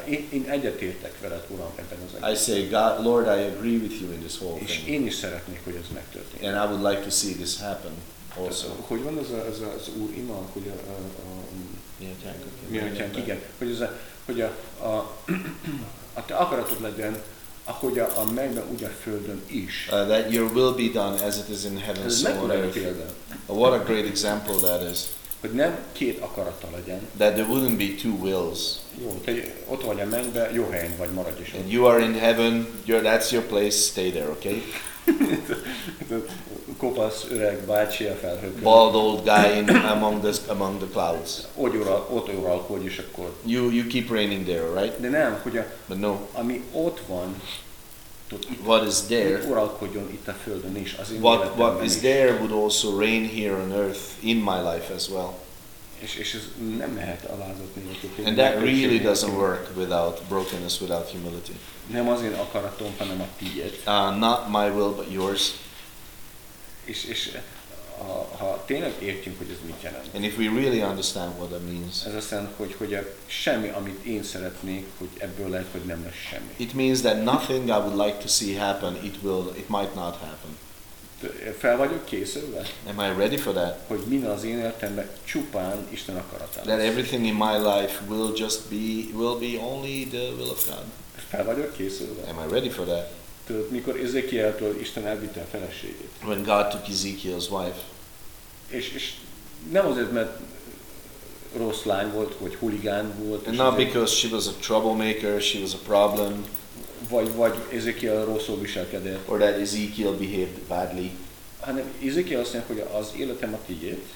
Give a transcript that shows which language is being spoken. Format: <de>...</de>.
<hu>Én egyetértek veled, Uram, ebben az egészben.</hu> <en>I say, God, Lord, I agree with you in this whole thing.</en> <hu>És én is szeretnék, hogy ez megtörténjen.</hu> <en>And I would like to see this happen also.</en> <hu>Hogy van az Úr ima, hogy a te akaratod legyen, ahogy a mennyben, úgy a földön is.</hu> <en>That your will be done as it is in heaven, so on earth. What a great example that is.</en> <hu>Hogy nem két akarata legyen.</hu> <en>That there wouldn't be two wills.</en> <hu>Jó, te ott vagy a mennyben, jó helyen vagy, maradj is.</hu> <en>And you are in heaven, that's your place, stay there, okay?</en> <hu>Kopasz öreg bácsi a felhőkön.</hu> <en>Bald old guy in among the clouds.</en> <hu>Ott uralkodj is akkor.</hu> <en>You keep reigning there, right?</en> <hu>De nem, hogy</hu> <en>but no.</en> <hu>Ami ott van, tud,</hu> <en>what is there,</en> <hu>uralkodjon itt a földön is. Az</hu> <en>what is there would also reign here on earth in my life as well.</en> <hu>És ez nem mehet alázat nélkül.</hu> <en>And that really doesn't work without brokenness, without humility.</en> <hu>Nem az én akaratom, hanem a tiéd.</hu> <en>Not my will, but yours.</en> <hu>És ha tényleg értjük, hogy ez mit jelent.</hu> <en>And if we really understand what that means.</en> <hu>Ez azt jelenti, hogy semmi, amit én szeretnék, hogy ebből lehet, hogy nem lesz semmi.</hu> <en>It means that nothing I would like to see happen, it might not happen.</en> <hu>Fel vagyok készülve?</hu> <en>Am I ready for that?</en> <hu>Hogy minden az én életemben csupán Isten akarata.</hu> <en>That everything in my life will be only the will of God.</en> <hu>Fel vagyok készülve?</hu> <en>Am I ready for that?</en> <hu>Tudod, mikor Ezekieltől Isten elvitte a feleségét.</hu> <en>When God took Ezekiel's wife.</en> <hu>És nem azért, mert rossz lány volt, vagy huligán volt.</hu> <en>And not because she was a troublemaker, she was a problem.</en> <hu>Vagy Ezekiel rosszul viselkedett.</hu> <en>Or that Ezekiel behaved badly.</en> <hu>Hanem Ezekiel azt mondja, hogy az életem a tiéd.</hu>